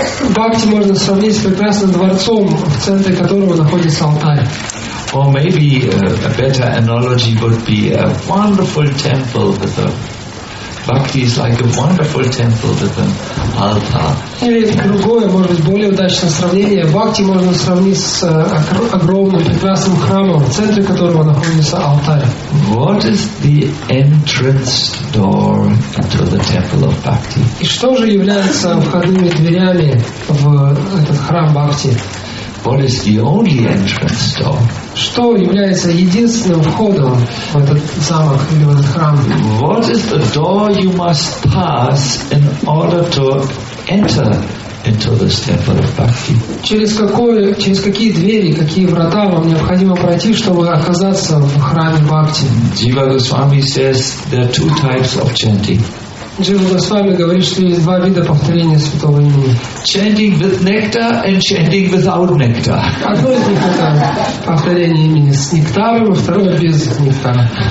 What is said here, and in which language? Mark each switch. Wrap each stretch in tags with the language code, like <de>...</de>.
<ru>Бхакти можно сравнить с прекрасным дворцом, в центре которого находится алтарь.</ru> <en>Or maybe a better analogy would be a wonderful temple with a bhakti is like a wonderful temple with an altar.</en> <ru>Или другое, может быть, более удачное сравнение. Бхакти можно сравнить с огромным прекрасным храмом, в центре которого находится алтарь.</ru> <en>What is the entrance door into the temple of Bhakti?</en> <ru>И что же является входными дверями в этот храм Бхакти?</ru> <en>What is the only entrance door?</en> <ru>Что является единственным входом в этот замок или в этот храм?</ru> <en>What is the door you must pass in order to enter into this temple of Bhakti?</en> <ru>Через какие двери, какие врата вам необходимо пройти, чтобы оказаться в храме Бхакти?</ru> <en>Jiva Goswami says there are two types of chanting.</en> <ru>Джива Госвами говорит, что есть два вида повторения Святого Имени.</ru> <en>Chanting with nectar and chanting without nectar.</en> <ru>Одно из них это повторение имени с нектаром, а второе без нектара.</ru>